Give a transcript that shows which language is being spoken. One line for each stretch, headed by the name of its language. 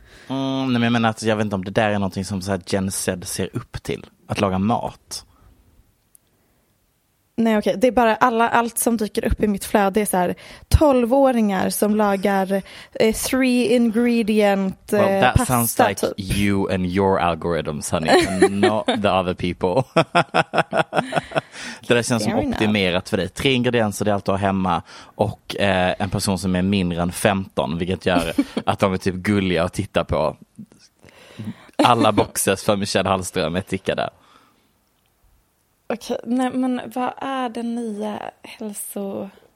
Swedish: Nej, men jag menar att jag vet inte om det där är någonting som så här Gen Z ser upp till. Att laga mat. Nej, okej. Okay. Det är bara allt som dyker upp i mitt flöde är så här 12-åringar som lagar
English: three ingredient pasta. Well, that sounds like you and your algorithms, honey, not the other people.
Swedish: Det där känns som optimerat för dig. Tre ingredienser, det är allt du har hemma. Och en person som är mindre än 15, vilket gör att de är typ gulliga att titta på. Alla boxes för Michelle Hallström är tickade. Okej, nej, men vad är den nya hälso...